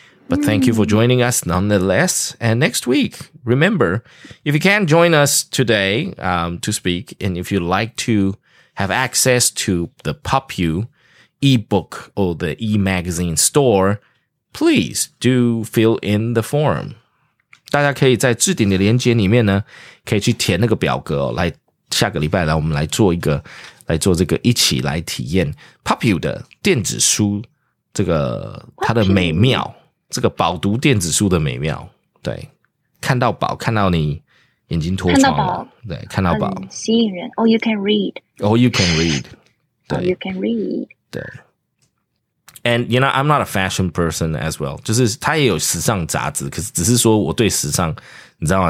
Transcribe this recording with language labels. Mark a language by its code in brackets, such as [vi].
[en] But thank you for joining us nonetheless. And next week, remember, if you can join us today, to speak, and if you'd like to have access to the PopU ebook or the e-magazine store, please do fill in the form. [zh] 大家可以在置顶的连结里面呢可以去填那个表格、哦、来下个礼拜来我们来做一个来做这个一起来体验 PopU 的电子书这个它的美妙。这个饱读电子书的美妙，对，看到饱，看到你眼睛脱窗了，对，看到饱，吸引人。 [en] Oh, you can read. Oh, you can read. Oh, you can read. [zh] 对。 [en] And you know, I'm not a fashion person as well. [zh] 就是他也有时尚杂志，可是只是说我对时尚，你知道吗？